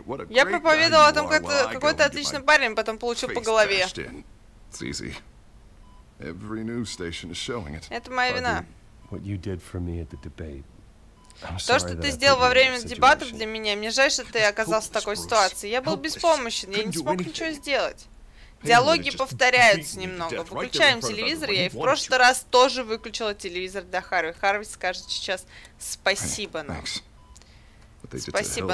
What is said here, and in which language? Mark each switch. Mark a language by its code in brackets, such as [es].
[ru] Я проповедовал о том, какой ты отличный парень, потом получил по голове. [en] Every news station is showing it. [ru] Это моя вина. [en] What you did for me at the debate. [ru] То, что ты сделал во время дебатов для меня, мне жаль, что ты оказался в такой ситуации. Я был беспомощен, я не смог ничего сделать. Диалоги повторяются немного. Выключаем телевизор, я и в прошлый раз тоже выключила телевизор для Харви. Харви скажет сейчас спасибо нам. Спасибо.